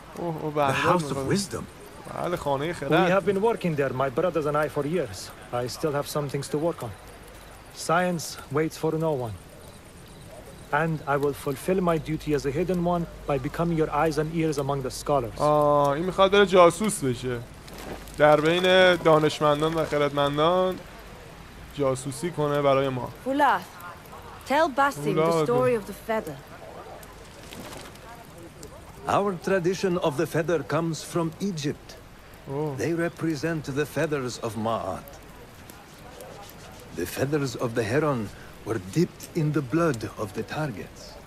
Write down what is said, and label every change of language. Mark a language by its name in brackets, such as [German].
[English] The house of wisdom? We have been working there, my brothers and I, for years. I still have some things to work on. Science waits for no one. And I will fulfill my duty as a hidden one by becoming your eyes and ears among the scholars. [Persian] آه این میخواد بره جاسوس بشه. در بین دانشمندان و خردمندان جاسوسی کنه برای ما. [English] Fulath, tell Basim the story of the feather. Our tradition of the feather comes from Egypt. Oh. They represent the feathers of Ma'at. The feathers of the heron were dipped in the blood of the targets.